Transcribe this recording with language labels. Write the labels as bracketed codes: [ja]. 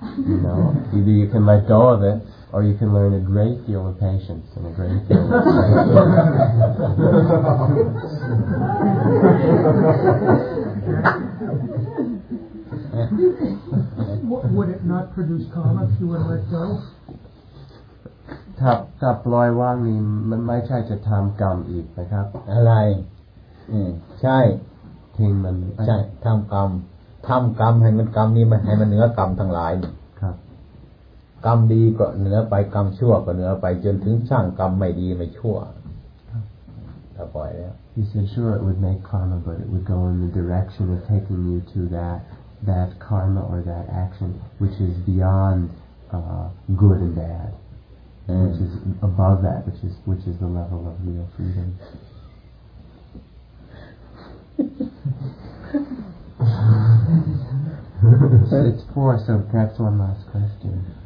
[en] You know, either you can let go of it, or you can learn a great deal of patience and a great deal of would it not produce karma if you would let go? [th] ถ้าปล่อยวางนี่มันไม่ใช่จะทำกรรมอีกนะครับ อะไรใช่ทิ้งมัน ใช่ทำกรรมให้มันกรรมนี้มันให้มันเหนือกรรมทั้งหลายกรรมดีก็เหนือไปกรรมชั่วก็เหนือไปจนถึงสร้างกรรมไม่ดีไม่ชั่วถ้าปล่อยแล้ว [en] He said sure it would make karma but it would go in the direction of taking you to that karma or that action which is beyond good and bad which is above that which is the level of real freedom it's four so perhaps one last question